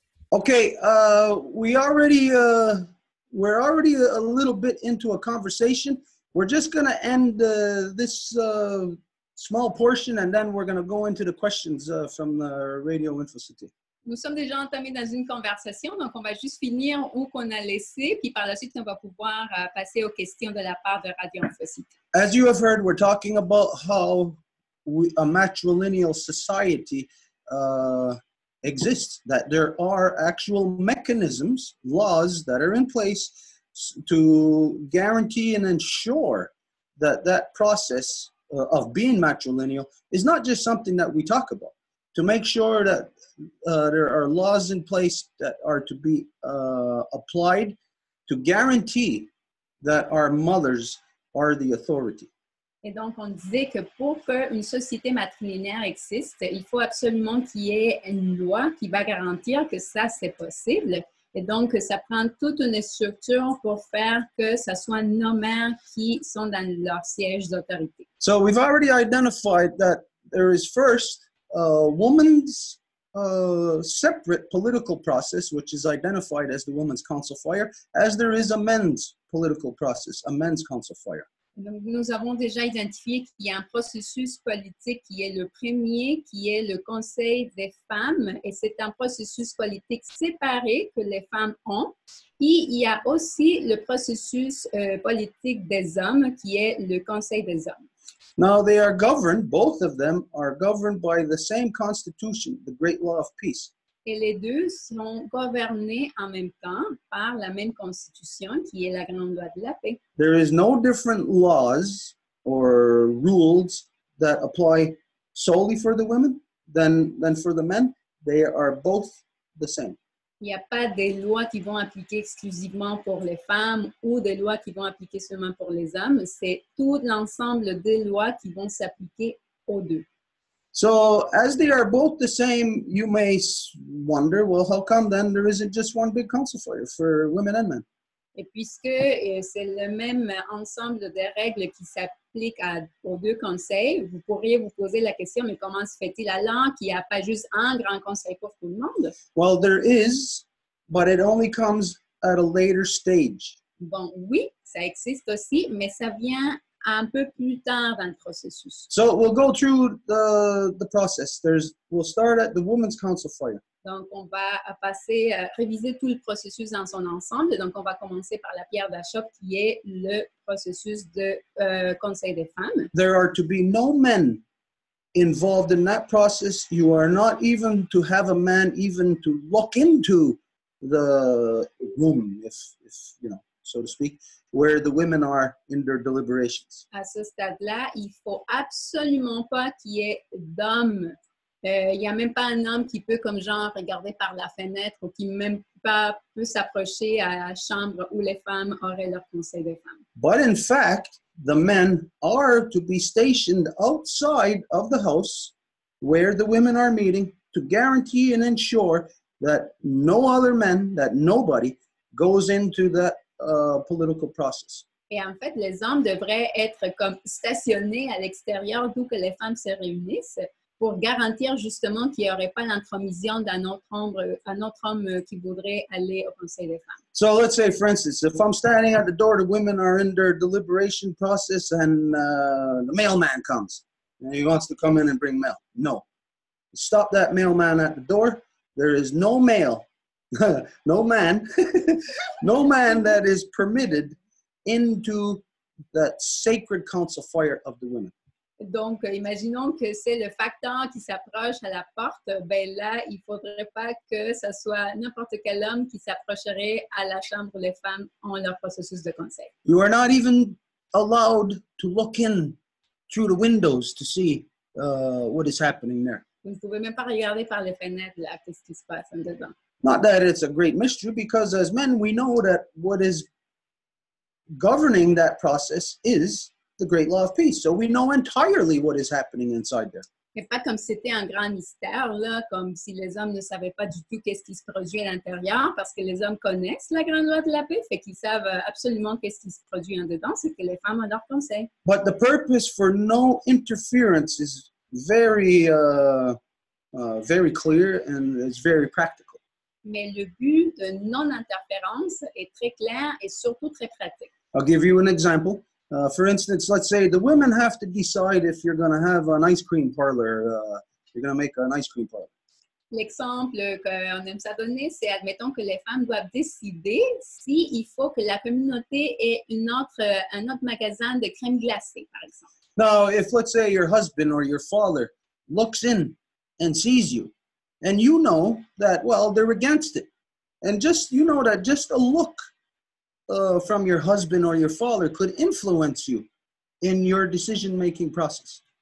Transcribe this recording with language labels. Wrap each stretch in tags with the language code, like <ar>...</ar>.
<en>Okay, we're already a little bit into a conversation. We're just going to end this small portion, and then we're going to go into the questions from the Radio Info City.</en> <fr>Nous sommes déjà entamés dans une conversation, donc on va juste finir où qu'on a laissé, puis par la suite, on va pouvoir passer aux questions de la part de Radio Info City.</fr> <en>As you have heard, we're talking about how a matrilineal society exists, that there are actual mechanisms, laws that are in place to guarantee and ensure that that process of being matrilineal is not just something that we talk about. To make sure that there are laws in place that are to be applied to guarantee that our mothers are the authority.</en> <fr>Et donc, on disait que pour qu'une société matrilinéaire existe, il faut absolument qu'il y ait une loi qui va garantir que ça, c'est possible. Et donc, ça prend toute une structure pour faire que ce soit nos mères qui sont dans leur siège d'autorité.</fr> <en>So, we've already identified that there is first a woman's separate political process, which is identified as the woman's council fire, as there is a men's political process, a men's council fire.</en> <fr>Donc, nous avons déjà identifié qu'il y a un processus politique qui est le premier, qui est le conseil des femmes, et c'est un processus politique séparé que les femmes ont. Et il y a aussi le processus politique des hommes, qui est le conseil des hommes.</fr> <en>Now they are governed, both of them are governed by the same constitution, the Great Law of Peace.</en> <fr>Et les deux sont gouvernés en même temps par la même constitution qui est la Grande Loi de la Paix.</fr> <en>There is no different laws or rules that apply solely for the women than for the men. They are both the same.</en> <fr>Il n'y a pas des lois qui vont appliquer exclusivement pour les femmes ou des lois qui vont appliquer seulement pour les hommes. C'est tout l'ensemble des lois qui vont s'appliquer aux deux.</fr> <en>So, as they are both the same, you may wonder, well, how come then there isn't just one big council for women and men?</en> <fr>Et puisque c'est le même ensemble de règles qui s'applique aux deux conseils, vous pourriez vous poser la question, mais comment se fait-il alors qu'il n'y a pas juste un grand conseil pour tout le monde?</fr> <en>Well, there is, but it only comes at a later stage.</en> <fr>Bon, oui, ça existe aussi, mais ça vient un peu plus tard dans le processus.</fr> <en>So, we'll go through the process. We'll start at the Women's Council Fire.</en> <fr>Donc, on va passer, réviser tout le processus dans son ensemble. Donc, on va commencer par la pierre d'achoppe qui est le processus de conseil des femmes.</fr> <en>There are to be no men involved in that process. You are not even to have a man even to look into the room, if you know, so to speak, where the women are in their deliberations.</en> <fr>À ce stade-là, il faut absolument pas qu'il y ait d'hommes. Il n'y a même pas un homme qui peut, comme genre, regarder par la fenêtre ou qui même pas peut s'approcher à la chambre où les femmes auraient leur conseil des femmes.</fr> <en>But in fact, the men are to be stationed outside of the house where the women are meeting to guarantee and ensure that no other men, that nobody, goes into that political process.</en> <fr>Et en fait, les hommes devraient être comme stationnés à l'extérieur d'où que les femmes se réunissent, pour garantir justement qu'il n'y aurait pas l'intromission d'un autre homme, qui voudrait aller au conseil des femmes.</fr> <en>So let's say, for instance, if I'm standing at the door, the women are in their deliberation process, and the mailman comes, and he wants to come in and bring mail. No. Stop that mailman at the door. There is no mail, no man that is permitted into that sacred council fire of the women.</en> <fr>Donc, imaginons que c'est le facteur qui s'approche à la porte. Ben là, il faudrait pas que ce soit n'importe quel homme qui s'approcherait à la chambre où les femmes ont leur processus de conseil.</fr> <en>You are not even allowed to look in through the windows to see what is happening there.</en> <fr>Vous ne pouvez même pas regarder par les fenêtres là, qu'est-ce qui se passe en dedans.</fr> <en>Not that it's a great mystery, because as men, we know that what is governing that process is the Great Law of Peace. So we know entirely what is happening inside there.</en> <fr>Et pas comme c'était un grand mystère là, comme si les hommes ne savaient pas du tout qu'est-ce qui se produit à l'intérieur, parce que les hommes connaissent la Grande Loi de la Paix, fait qu'ils savent absolument qu'est-ce qui se produit en dedans, c'est que les femmes ont leur conseil.</fr> <en>But the purpose for no interference is very, very clear, and it's very practical.</en> <fr>Mais le but de non-interférence est très clair et surtout très pratique.</fr> <en>I'll give you an example. For instance, let's say the women have to decide if you're going to have an ice cream parlor. You're going to make an ice cream parlor.</en> <fr>L'exemple qu'on aime ça donner, c'est admettons que les femmes doivent décider si il faut que la communauté ait un autre magasin de crème glacée, par exemple.</fr> <en>Now, if let's say your husband or your father looks in and sees you, and you know that, well, they're against it, and just you know that just a look from your husband or your father could influence you in your decision-making process.</en>